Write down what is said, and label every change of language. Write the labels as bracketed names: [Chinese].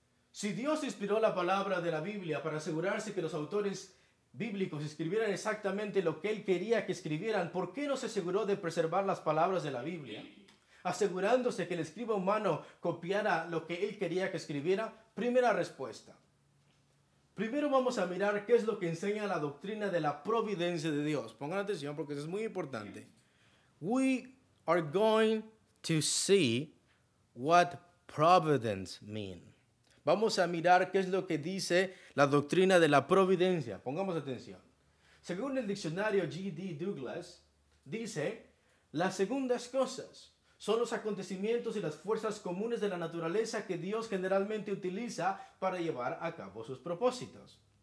[Spanish] Si Dios inspiró la palabra de la Biblia para asegurarse que los autores bíblicos escribieran exactamente lo que Él quería que escribieran, ¿por qué no se aseguró de preservar las palabras de la Biblia? Asegurándose que el escriba humano copiara lo que Él quería que escribiera. Primera respuesta. Primero vamos a mirar qué es lo que enseña la doctrina de la providencia de Dios. Pongan atención porque eso es muy importante. [English] We are going to see what providence means. [Spanish] Vamos a mirar qué es lo que dice la doctrina de la providencia. Pongamos atención. Según el diccionario G.D. Douglas, dice, las segundas cosas son los acontecimientos y las fuerzas comunes de la naturaleza que Dios generalmente utiliza para llevar a cabo sus propósitos.